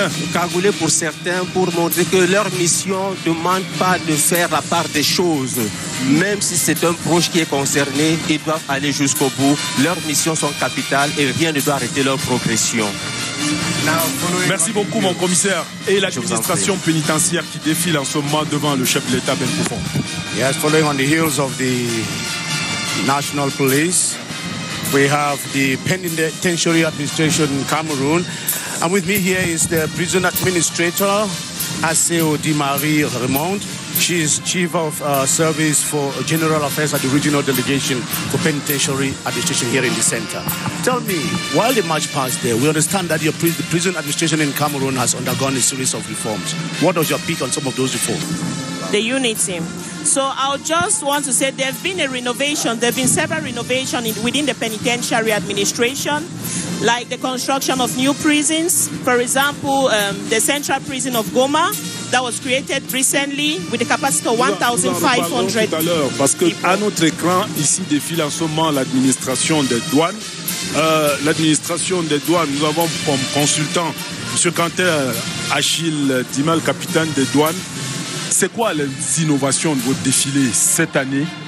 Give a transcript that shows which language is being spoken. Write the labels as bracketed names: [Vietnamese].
[French] Encagoulés pour certains, pour montrer que leur mission ne demande pas de faire la part des choses. Même si c'est un proche qui est concerné, ils doivent aller jusqu'au bout. Leurs missions sont capitales et rien ne doit arrêter leur progression. Merci beaucoup, mon commissaire. Et l'administration pénitentiaire qui défile en ce moment devant le chef de l'État, Ben Koufon. [English] Yes, following on the heels of the National Police, we have the penitentiary administration in Cameroon. And with me here is the prison administrator, Aseo Di-Marie Raymond. She is chief of service for general affairs at the regional delegation for penitentiary administration here in the center. Tell me, while the march passed there, we understand that the prison administration in Cameroon has undergone a series of reforms. What was your pick on some of those reforms? The unit team. So I just want to say there have been a renovation. There have been several renovations within the penitentiary administration, like the construction of new prisons. For example, the central prison of Goma that was created recently with a capacity of 1,500. [French] Tout à l'heure, parce qu'à notre écran, ici défile en ce moment l'administration des douanes. L'administration des douanes, nous avons comme consultant M. Quentin Achille Dimal, capitaine des douanes. C'est quoi les innovations de votre défilé cette année?